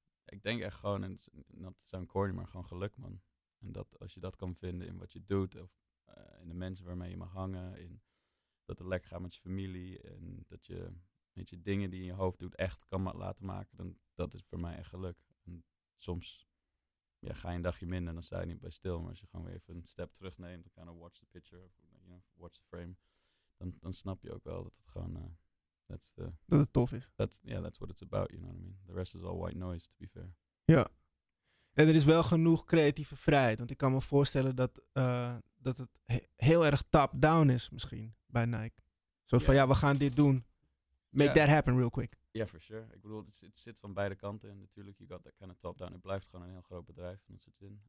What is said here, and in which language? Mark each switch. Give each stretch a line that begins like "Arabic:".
Dutch: Ik denk echt gewoon, en dat
English: sound corny,
Dutch: maar gewoon geluk, man. En dat als je dat kan vinden in wat je doet, of in de mensen waarmee je mag hangen, in dat het lekker gaat met je familie, en dat je, weet je, dingen die je in je hoofd doet echt kan laten maken, dan dat is voor mij echt geluk. En soms ga je een dagje minder, dan sta je niet bij stil, maar als je gewoon weer even een step terugneemt, dan
English: kind of watch the picture,
Dutch: of,
English: you know, watch the frame,
Dutch: dan snap je ook wel dat het gewoon... dat het tof is.
English: That's what it's about, you know what I mean? The rest is all white noise, to be fair.
Dutch: Ja. En er is wel genoeg creatieve vrijheid. Want ik kan me voorstellen dat, dat het heel erg top-down is misschien bij Nike. Zo van, we gaan dit doen.
English: Make that happen real quick. Ja, yeah, for sure.
Dutch: Ik bedoel, het zit van beide kanten. En natuurlijk,
English: you got that kind of top-down.
Dutch: Het blijft gewoon een heel groot bedrijf, in dat soort zin.